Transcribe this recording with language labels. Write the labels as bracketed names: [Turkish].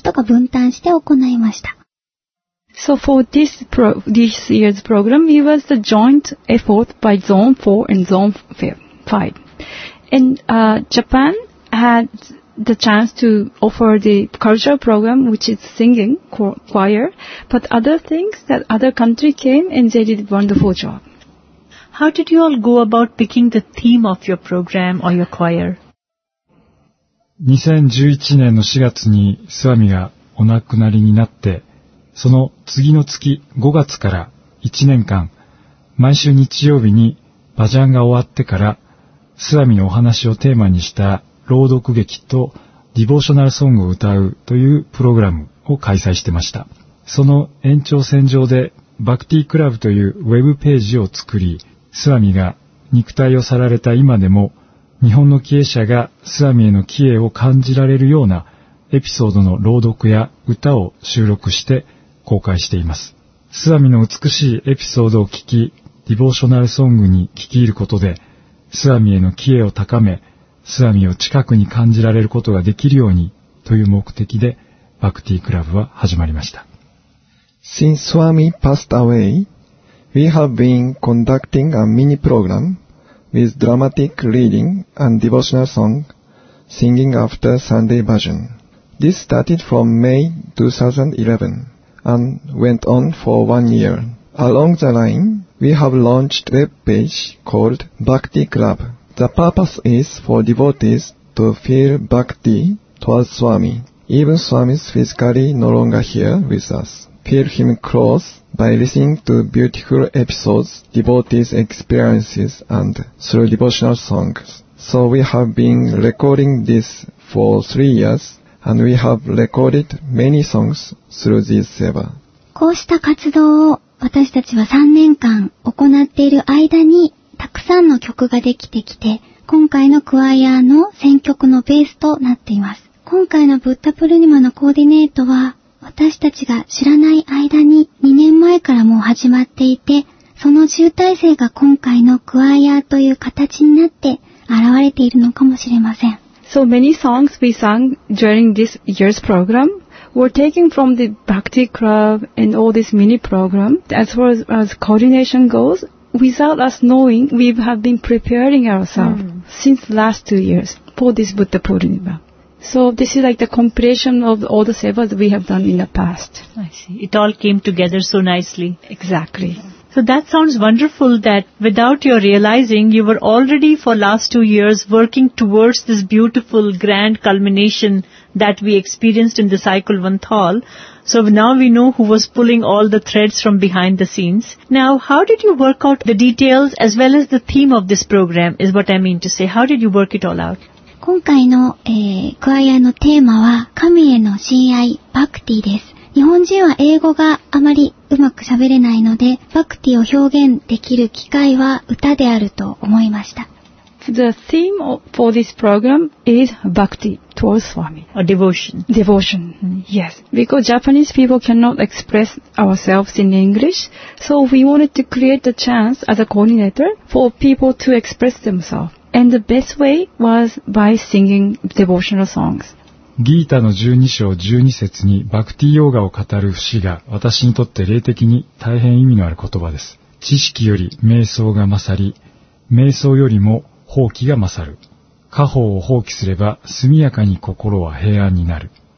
[Japanese] はい。今回のブッダプレにはゾーン5とゾーン4の合同で、私たち日本文化祭の中のクワイアを担当しました。デコレーションや他のカルチャープログラムや劇やスピーチは他の国の人が分担して行ないました。So [English] for this year's program, it was the joint effort by Zone 4 and Zone 5. And Japan had the chance to offer the cultural program, which is singing, choir, but other things that other country came and they did a wonderful job. How did you all go about picking the theme of your program or your choir? [Japanese] 2011年の4月にスワミがお亡くなりになって、その次の月5月から1年間、毎週日曜日にバジャンが終わってから、スワミのお話をテーマにした朗読劇とディボーショナルソングを歌うというプログラムを開催してました。その延長線上でバクティクラブというウェブページを作り、スワミが肉体を去られた今でも日本の帰依者がスワミへの帰依を感じられるようなエピソードの朗読や歌を収録して公開しています。スワミの美しいエピソードを聞き、ディボーショナルソングに聞き入ることでスワミへの帰依を高め、スワミを近くに感じられることができるようにという目的でバクティクラブは始まりました。 [English] Since Swami passed away, we have been conducting a mini program with dramatic reading and devotional song, singing after Sunday bhajan. This started from May 2011 and went on for 1 year. Along the line, we have launched a web page called Bhakti Club. The purpose is for devotees to feel bhakti towards Swami. Even Swami is physically no longer here with us. Feel him close by listening to beautiful episodes, devotees' experiences, and through devotional songs. So we have been recording this for 3 years, and we have recorded many songs through this seva. [Japanese] こうした活動を私たちは3年間行っている間にたくさんの曲ができてきて、今回のクワイアの選曲のベースとなっています。今回のブッダプルニマのコーディネートは、私たちが知らない間に2年前からもう始まっていて、その集大成が今回のクワイアという形になって現れているのかもしれません。 [English] So many songs we sang during this year's program. We're taking from the Bhakti Club and all this mini program. As far as coordination goes, without us knowing, we have been preparing ourselves since the last 2 years for this Buddha Purnima. So this is like the completion of all the sevas we have done in the past. I see. It all came together so nicely. Exactly. So that sounds wonderful that without your realizing, you were already for last 2 years working towards this beautiful grand culmination that we experienced in the cycle Vanthal. So now we know who was pulling all the threads from behind the scenes. Now, how did you work out the details as well as the theme of this program is what I mean to say. How did you work it all out? [Japanese] 今回の、クワイアのテーマは神への信愛、バクティです。日本人は英語があまりうまく喋れないので、バクティを表現できる機会は歌であると思いました。 [English] The theme for this program is bhakti towards Swami. A devotion. Devotion, yes. Because Japanese people cannot express ourselves in English, so we wanted to create a chance as a coordinator for people to express themselves. And the best way was by singing devotional songs. [Japanese] ギータの十二章十二節にバクティヨーガを語る節が私にとって霊的に大変意味のある言葉です。知識より瞑想が勝り、瞑想よりも放棄が勝る。家宝を放棄すれば速やかに心は平安になる。